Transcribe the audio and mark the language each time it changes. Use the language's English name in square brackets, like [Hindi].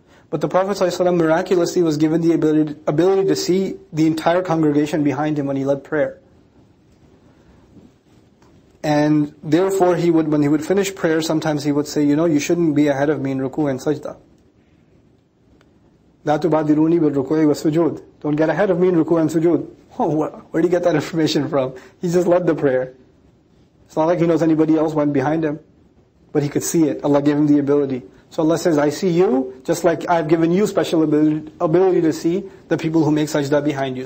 [English] But the Prophet sallallahu alayhi wasallam miraculously was given the ability to see the entire congregation behind him when he led prayer. And therefore, when he would finish prayer, sometimes he would say, you know, you shouldn't be ahead of me in ruku' and sajda. [Arabic] لا تبادروني بالركوع والسجود. [English] Don't get ahead of me in ruku' and sujood. Oh, where do you get that information from? He just led the prayer. It's not like he knows anybody else went behind him. But he could see it. Allah gave him the ability. So Allah says, I see you, just like I've given you special ability to see the people who make sajda behind you.